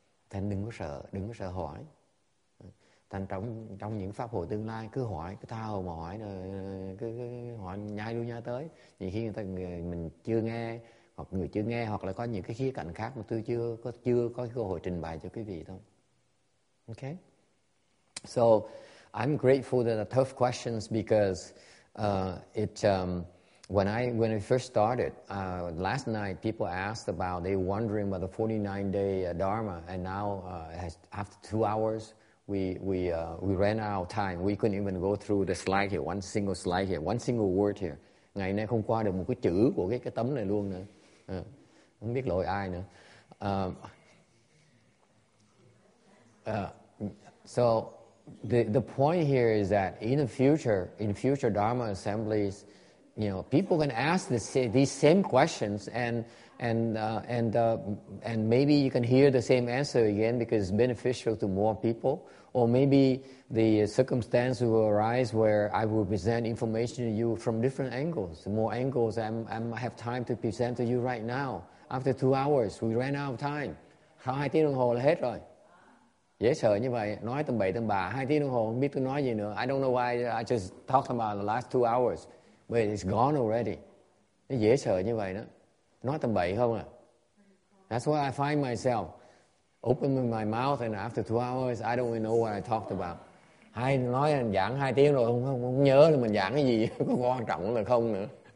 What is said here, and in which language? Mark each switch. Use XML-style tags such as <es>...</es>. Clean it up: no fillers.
<vi>Thành đừng có sợ, đừng có sợ hỏi. Thành trong những pháp hội tương lai cứ hỏi, cứ tha hồ mà hỏi, cứ hỏi nhai luôn nhai tới. Nhiều khi mình chưa nghe, hoặc người chưa nghe, hoặc là có những cái khía cạnh khác mà tôi chưa có cơ hội trình bày cho quý vị thôi. Ok.</vi> <en>So I'm grateful that the tough questions, because when I first started last night, people asked about, they wondering about the 49 day dharma, and now after 2 hours we ran out of time. We couldn't even go through the slide here, one single slide here, one single word here.</en> <vi>Ngày nay không qua được một cái chữ của cái tấm này luôn nữa. Không biết lỗi ai nữa.</vi> <en>So the point here is that in future Dharma assemblies, you know, people can ask these same questions and maybe you can hear the same answer again because it's beneficial to more people. Or maybe the circumstance will arise where I will present information to you from different angles, more angles I have time to present to you right now. After 2 hours, we ran out of time.</en> <vi>2 tiếng đồng hồ là hết rồi. Dễ sợ như vậy, nói tầm bậy tầm bạ, 2 tiếng đồng hồ, không biết tôi nói gì nữa.</vi> <en>I don't know why I just talked about the last 2 hours, but it's gone already.</en> <vi>Dễ sợ như vậy đó. Nói tầm bậy không à?</vi> <en>That's what I find myself. Open my mouth and after 2 hours, I don't even know what I talked about.</en> <vi>Hai nói là giảng 2 tiếng rồi, không nhớ là mình giảng cái gì, có quan trọng là không nữa.</vi>